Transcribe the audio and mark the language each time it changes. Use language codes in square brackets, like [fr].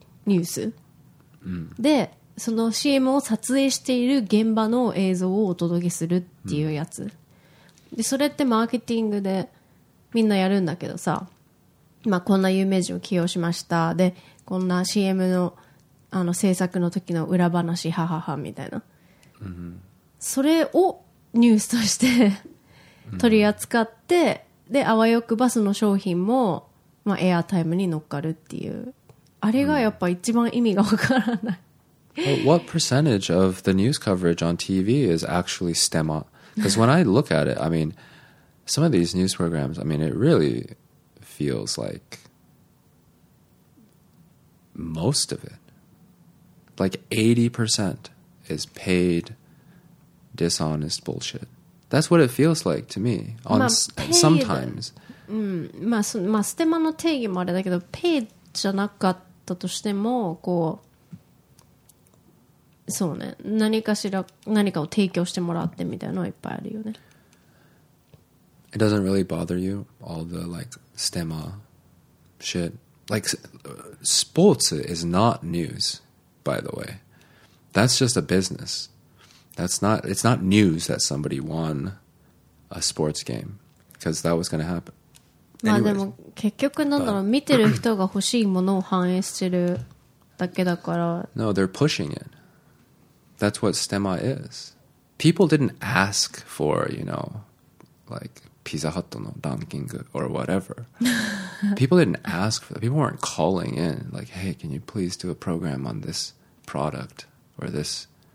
[ja] ニュース、うん、でその CM を撮影している現場の映像をお届けするっていうやつ、うん、でそれってマーケティングでみんなやるんだけどさ、まあ、こんな有名人を起用しましたでこんな CM の、 あの制作の時の裏話ハハハみたいな、うん、それをニュースとして取り扱って、うん、であわよくバスの商品も、まあ、エアタイムに乗っかるっていうあれがやっぱ一番意味がわからない、 [en] うん、What percentage of the news coverage on TV is actually stemma? Because when I look at it, I mean some of these news programs, I mean it really feels like most of it, like 80% is paid dishonest bullshit. That's what it feels like to me. On まあ、paid. Sometimes. [ja] うん、まあ、まあ、ステマの定義もあれだけど、paid じゃなかったとしても、こう、そうね、何かしら、何かを提供してもらってみたいなのはいっぱいあるよね。 [en] It doesn't really bother you, all the, like, stemma shit. Like, sports is not news, by the way. That's just a business. That's not, it's not news that somebody won a sports game because that was going to happen. [ja] Anyways, まあでも結局なんだろう見てる人が欲しいものを反映してるだけだから [en] No, they're pushing it. That's what stemma is. People didn't ask for, you know, like Pizza Hut [ja] のランキング [en] or whatever. People didn't ask for that. People weren't calling in like, hey, can you please do a program on this product or this